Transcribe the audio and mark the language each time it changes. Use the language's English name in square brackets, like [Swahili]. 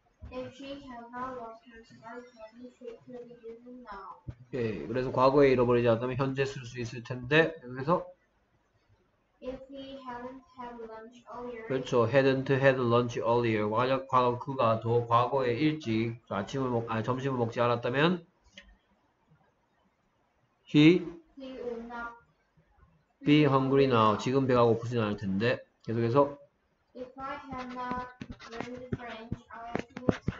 [English] If she had not lost her smartphone, she could use it now. [Korean] 오케이, 그래서 과거에 잃어버리지 않다면 현재 쓸수 있을 텐데. 그래서 [English] If he hadn't had lunch earlier, [Korean] 그렇죠. [English] hadn't had lunch earlier. [Korean] 만약 그가 더 과거에 일찍 점심을 먹지 않았다면 he [English] he would not be be hungry now. now. [Korean] 지금 배가 고프진 않을 텐데. 계속해서 [English] If I had not learned French, I would